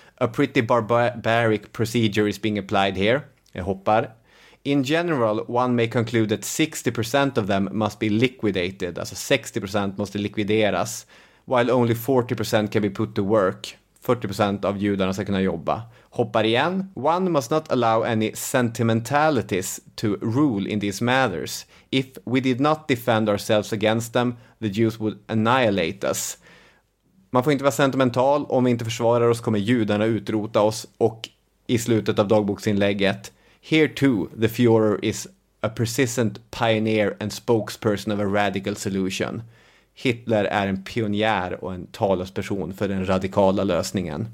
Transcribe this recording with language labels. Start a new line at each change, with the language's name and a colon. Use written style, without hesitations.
English: A pretty barbaric procedure is being applied here.
Swedish: Jag hoppar.
English: In general, one may conclude that 60% of them must be liquidated.
Swedish: Alltså 60% måste likvideras.
English: While only 40% can be put to work.
Swedish: 40% av judarna ska kunna jobba. Hoppar igen.
English: One must not allow any sentimentalities to rule in these matters. If we did not defend ourselves against them, the Jews would annihilate us.
Swedish: Man får inte vara sentimental. Om vi inte försvarar oss kommer judarna utrota oss. Och i slutet av dagboksinlägget:
English: here too, the Führer is a persistent pioneer and spokesperson of a radical solution.
Swedish: Hitler är en pionjär och en talesperson för den radikala lösningen.